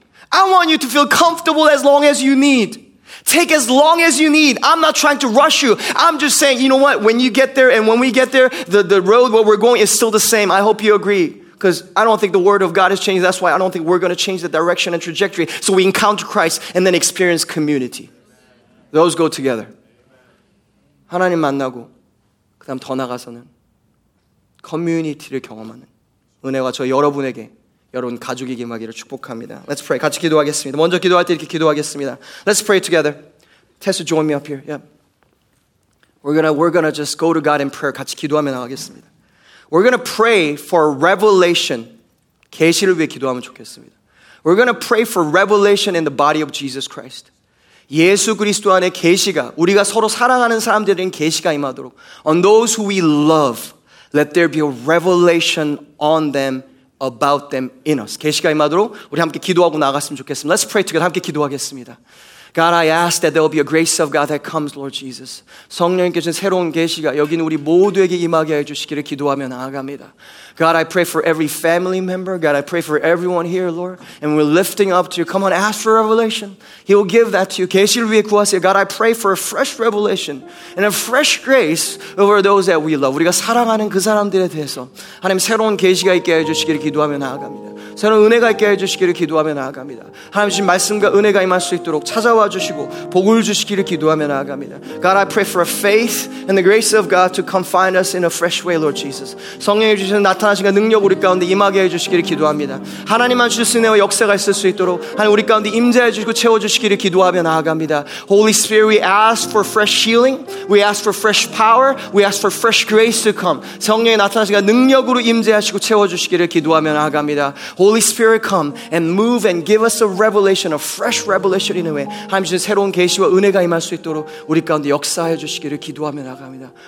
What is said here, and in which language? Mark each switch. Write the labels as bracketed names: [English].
[English] I want you to feel comfortable as long as you need. Take as long as you need. I'm not trying to rush you. I'm just saying, you know what? When you get there and when we get there, the road where we're going is still the same. I hope you agree. Because I don't think the word of God has changed. That's why I don't think we're going to change the direction and trajectory. So we encounter Christ and then experience community. Those go together. [Korean] 하나님 만나고 그 다음 더 나가서는 커뮤니티를 경험하는 은혜와 저 여러분에게 여러분 가족이 임하기를 축복합니다. [English] Let's pray. [Korean] 같이 기도하겠습니다. 먼저 기도할 때 이렇게 기도하겠습니다. [English] Let's pray together. Tessa, join me up here. Yep. We're gonna just go to God in prayer. [Korean] 같이 기도하며 나가겠습니다. [English] We're gonna pray for revelation. [Korean] 계시를 위해 기도하면 좋겠습니다. [English] We're gonna pray for revelation in the body of Jesus Christ. [Korean] 예수 그리스도 안에 계시가 우리가 서로 사랑하는 사람들에게 계시가 임하도록. [English] On those who we love, let there be a revelation on them. About them in us. [Korean] 계시가 임하도록 우리 함께 기도하고 나갔으면 좋겠습니다. [English] Let's pray together. [Korean] 함께 기도하겠습니다. [English] God, I ask that there will be a grace of God that comes, Lord Jesus. [Korean] 성령께 주신 새로운 계시가 여기 우리 모두에게 임하게 해 주시기를 기도하며 나아갑니다. [English] God, I pray for every family member. God, I pray for everyone here, Lord. And we're lifting up to you. Come on, ask for revelation. He will give that to you. [Korean] 계시를 위해 구하세요. [English] God, I pray for a fresh revelation and a fresh grace over those that we love. [Korean] 우리가 사랑하는 그 사람들에 대해서 하나님 새로운 계시가 있게 해주시기를 기도하며 나아갑니다. 새로운 은혜가 있게 해주시기를 기도하며 나아갑니다. 하나님 주신 말씀과 은혜가 임할 수 있도록 찾아와 주시고 복을 주시기를 기도하며 나아갑니다. [English] God, I pray for a faith and the grace of God to come find us in a fresh way, Lord Jesus. [Korean] 성령이 주신 나타나신가 능력 우리 가운데 임하게 해주시기를 기도합니다. 하나님만 주실 수 있는 역사가 있을 수 있도록 하나님 우리 가운데 임재해주시고 채워주시기를 기도하며 나아갑니다. [English] Holy Spirit, we ask for fresh healing. We ask for fresh power. We ask for fresh grace to come. [Korean] 성령이 나타나신가 능력으로 임재하시고 채워주시기를 기도하며 나아갑니다. [English] Holy Spirit, come and move and give us a revelation, a fresh revelation in a way. [Korean] 하나님 주신 새로운 계시와 은혜가 임할 수 있도록 우리 가운데 역사해주시기를 기도하며 나아갑니다.